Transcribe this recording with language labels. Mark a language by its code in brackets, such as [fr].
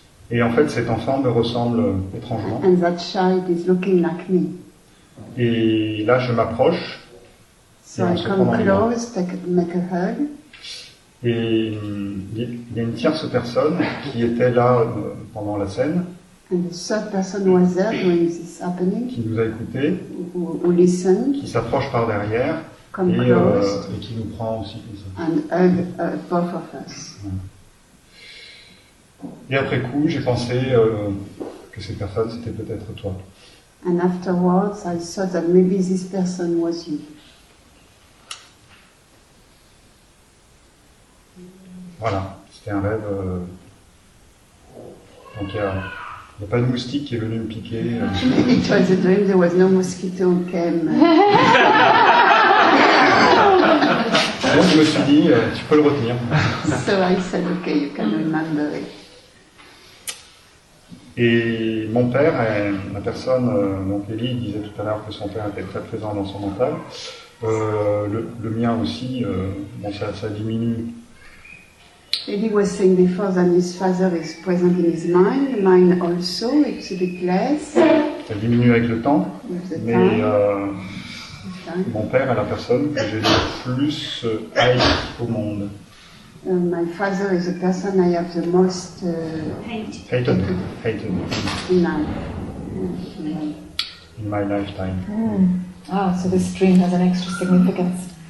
[fr] Et en fait, cet enfant me ressemble étrangement. [en] And that child is looking like me. [fr] Et là, je m'approche. [en] So I come close, make a hug. [fr] Et il y a une tierce personne qui était là pendant la scène. [en] And the third person was there when this happening. [fr] Qui nous a écouté. [en] Who listened. [fr] Qui s'approche par derrière. [en] Come [fr] et, [en] close. [fr] Et qui nous prend aussi. [en] And hug both of us. [fr] Et après coup, j'ai pensé que cette personne, c'était peut-être toi. [en] And afterwards, I thought that maybe this person was you. [fr] Voilà, c'était un rêve. Donc il n'y a pas de moustique qui est venu me piquer. [en] It was a dream, there was no mosquito who came. [fr] Donc je me suis dit, tu peux le retenir. [en] So I said, ok, you can remember it. [fr] Et mon père, et la personne, donc Ellie disait tout à l'heure que son père était très présent dans son mental. Le mien aussi, bon, ça diminue. [en] Ellie was saying before that his father is present in his mind. Mine also, it's a bit less. [fr] Ça diminue avec le temps. Mais [en] time. [fr] Mon père est la personne que j'ai le plus haï au monde. [en] My father is the person I have the most hated in my lifetime. Mm. Ah, so this dream has an extra significance.